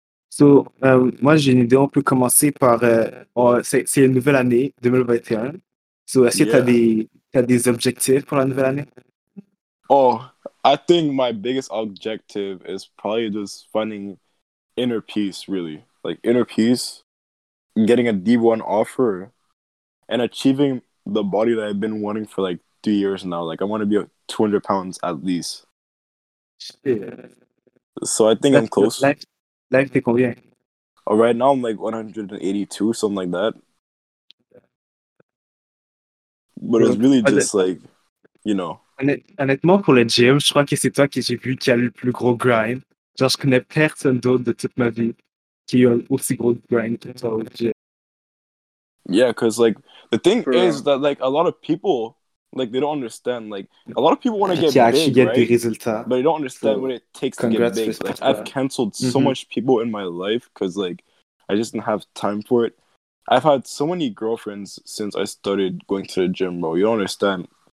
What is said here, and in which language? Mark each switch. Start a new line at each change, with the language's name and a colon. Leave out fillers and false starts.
French: So, moi, j'ai une idée. On peut commencer par... c'est une nouvelle année, 2021. So, est-ce que t'as des objectifs pour la nouvelle année?
English: Oh, I think my biggest objective is probably just finding inner peace, really. Like, inner peace, getting a D1 offer, and achieving the body that I've been wanting for, like, 2 years now. Like, I want to be 200 pounds at least. Shit. So, I think I'm close.
French: Life, t'es combien?
English: Oh, right now, I'm, like, 182, something like that. But it's really just, like, you know.
French: Honnêtement, pour le gym, je crois que c'est toi que j'ai vu qui a le plus gros grind. Genre, je connais personne d'autre de toute ma vie qui a aussi gros grind que toi au gym.
English: Yeah, because, like, the thing is that, like, a lot of people... Like, they don't understand. Like, a lot of people want to get big, right?
French: Des résultats.
English: But they don't understand what it takes to get big. Like, I've canceled so much people in my life because, like, I just didn't have time for it. I've had so many girlfriends since I started going to the gym, bro. You don't understand.